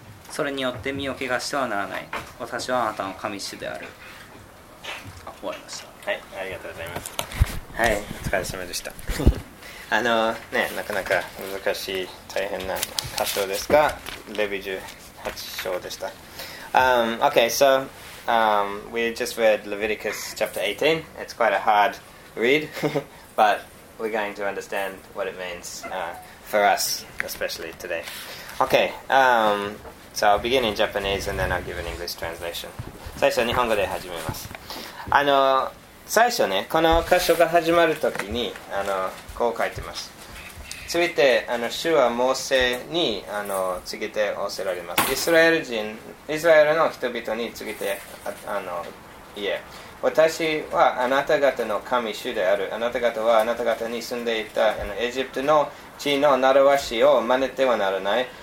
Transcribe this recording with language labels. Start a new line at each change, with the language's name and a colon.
Japanese: それによって身を汚してはならない。私はあなたの神主である。終わりました。はい、ありがとうございます。はい、お疲れ様でした。ね、なかなか難しい大変な箇所ですが、レビ18章でした。
English: Okay, soWe just read Leviticus chapter 18. It's quite a hard read, but we're going to understand what it means for us, especially today. Okay, so I'll begin in Japanese and then I'll give an English translation.
Japanese: 最初日本語で始めます。最初ね、この箇所が始まるときにこう書いてます。続いて主はモーセに告げて仰せられます。イスラエルの人々に告げて言え、私はあなた方の神主である。あなた方はあなた方に住んでいたエジプトの地の習わしを真似てはならない。